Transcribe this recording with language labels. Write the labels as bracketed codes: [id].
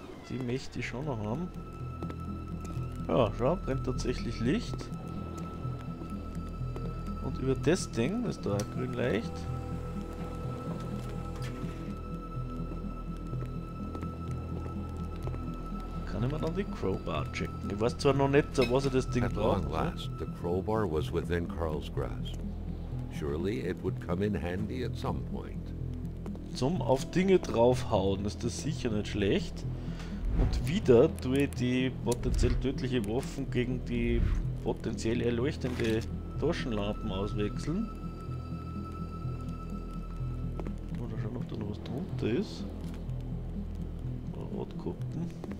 [de] Die möchte ich schon noch haben. Ja, schau, brennt tatsächlich Licht. Und über das Ding, das ist da auch grün leicht. [en] The crowbar [de] checken. Ich weiß zwar noch nicht, was er das Ding braucht. [en] At long last, the crowbar was within Carl's grasp. Surely it would come in handy at some point. [de] Zum auf Dinge draufhauen ist das sicher nicht schlecht. Und wieder tue ich die potenziell tödliche Waffen gegen die potenziell erleuchtende Taschenlampen auswechseln. Oder schauen, ob da noch was drunter ist. Rotkoppen.